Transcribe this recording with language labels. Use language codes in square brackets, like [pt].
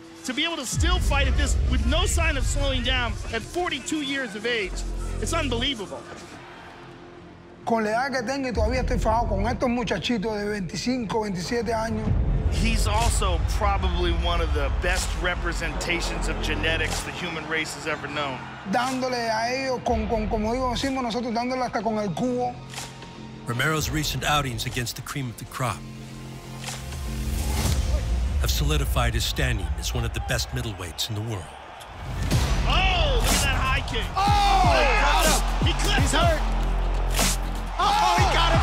[en] To be able to still fight at this with no sign of slowing down at 42 years of age, it's unbelievable. [es] Con la edad que tengo y todavía estoy fajado con estos muchachitos de 25, 27 años. [en] He's also probably one of the best representations of genetics the human race has ever known. [es] Dándole a ellos con como decimos nosotros, dándole hasta con el cubo. [en] Romero's recent outings against the cream of the crop have solidified his standing as one of the best middleweights in the world. Oh, look at that high kick. Oh, he clipped him. He's hurt. Oh, he got him.